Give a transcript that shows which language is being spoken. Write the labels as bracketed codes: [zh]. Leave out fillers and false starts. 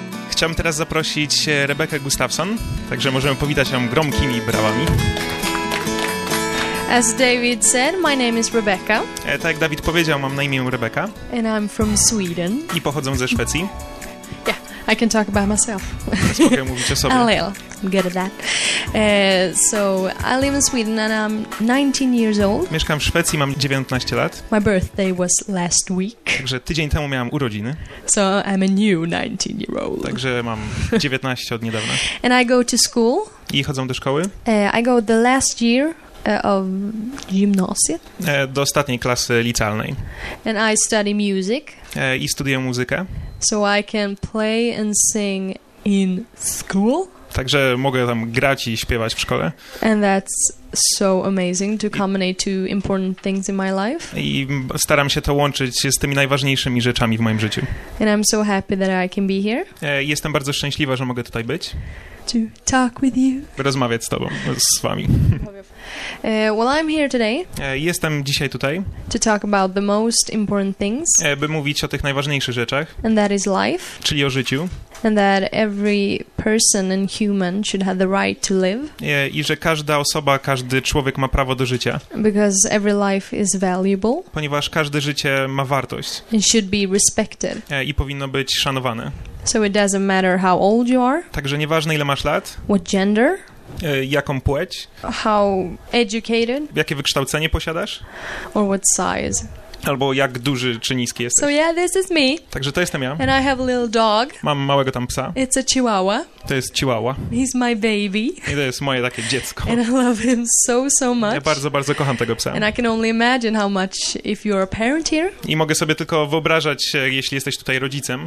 [pl] chciałbym teraz zaprosić Rebekę Gustafsson, także możemy powitać ją gromkimi brawami. [en] As David said, my name is Rebecca. [pl] Tak jak David powiedział, mam na imię Rebecca. [en] And I'm from Sweden. [pl] I pochodzę ze Szwecji. [en] Yeah, I can talk about myself. [pl] Teraz mogę mówić o sobie. [en] A little. I'm good at that. So I live in Sweden and I'm 19 years old. [pl] Mieszkam w Szwecji, mam 19 lat. [en] My birthday was last week. [pl] Także tydzień temu miałam urodziny. [en] So I'm a new 19 year old. [pl] Także mam 19 od niedawna. [en] And I go to school. [pl] I chodzę do szkoły. [en] I go the last year of gymnasium. [pl] Do ostatniej klasy licealnej. [en] And I study music. [pl] I studiuję muzykę. [en] So I can play and sing in school. [pl] Także mogę tam grać i śpiewać w szkole. [en] And that's so amazing to combine two important things in my life. [pl] I staram się to łączyć z tymi najważniejszymi rzeczami w moim życiu. [en] And I'm so happy that I can be here. [pl] Jestem bardzo szczęśliwa, że mogę tutaj być. [en] To talk with you. [pl] Rozmawiać z tobą, z wami. [en] Well, I'm here today. [pl] Jestem dzisiaj tutaj. [en] To talk about the most important things. [pl] By mówić o tych najważniejszych rzeczach. [en] And that is life. [pl] Czyli o życiu. [en] And that every person and human should have the right to live. [pl] I że każda osoba, każdy człowiek ma prawo do życia. [en] Because every life is valuable. [pl] Ponieważ każde życie ma wartość. [en] And should be respected. [pl] I powinno być szanowane. [en] So it doesn't matter how old you are. [pl] Także nieważne ile masz lat. [en] What gender? [pl] Jaką płeć? [en] How educated? [pl] Jakie wykształcenie posiadasz? [en] Or what size? [pl] Albo jak duży czy niski jesteś. [en] So yeah, this is me. [pl] Także to jestem ja. [en] And I have a little dog. [pl] Mam małego tam psa. [en] It's a chihuahua. [pl] To jest chihuahua. [en] He's my baby. [pl] I to jest moje takie dziecko. [en] And I love him so, so much. [pl] Ja bardzo, bardzo kocham tego psa. [en] And I can only imagine how much if you're a parent here. [pl] I mogę sobie tylko wyobrażać, jeśli jesteś tutaj rodzicem.